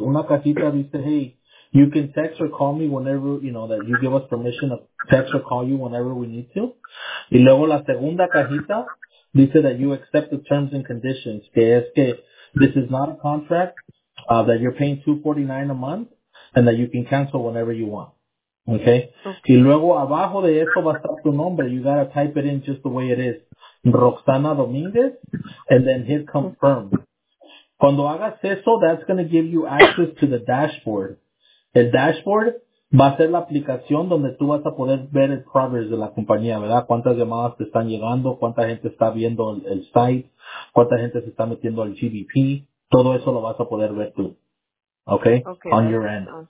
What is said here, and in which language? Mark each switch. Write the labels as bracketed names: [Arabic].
[Spanish] Una cajita dice, [English] hey, you can text or call me whenever, you know, that you give us permission to text or call you whenever we need to. [Spanish] Y luego la segunda cajita dice [English] that you accept the terms and conditions, [Spanish] que es que [English] this is not a contract, that you're paying $249 a month, and that you can cancel whenever you want. Okay? Okay. [Spanish] Y luego abajo de eso va a estar tu nombre. [English] You gotta type it in just the way it is. Roxana Domínguez, and then hit confirm. [Spanish] Cuando hagas eso, [English] that's going to give you access to the dashboard. [Spanish] El dashboard va a ser la aplicación donde tú vas a poder ver el progress de la compañía, ¿verdad? Cuántas llamadas te están llegando, cuánta gente está viendo el site, cuánta gente se está metiendo al GDP. Todo eso lo vas a poder ver tú, ¿ok? Okay. [English] On your end.